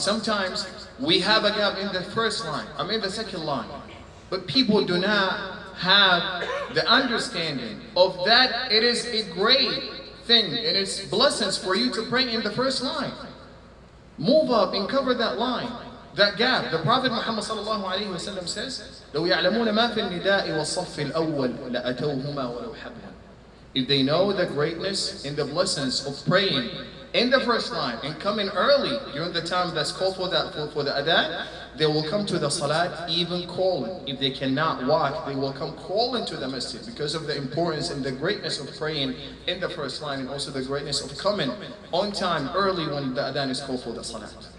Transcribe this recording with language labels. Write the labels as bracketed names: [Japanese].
[English] Sometimes we have a gap in the first line, I mean the second line, but people do not have the understanding of that it is a great thing, and it's blessings for you to pray in the first line. Move up and cover that line, that gap. The Prophet Muhammad sallallahu alayhi wa sallam says, [Arabic] لو يعلمون ما في النداء والصف الأول لأتوهما ولو حبها. [English] If they know the greatness and the blessings of praying in the first line and coming early during the time that's called for that for the adhan, they will come to the salat even calling. If they cannot walk, they will come calling to the masjid because of the importance and the greatness of praying in the first line, and also the greatness of coming on time early when the adhan is called for the salat.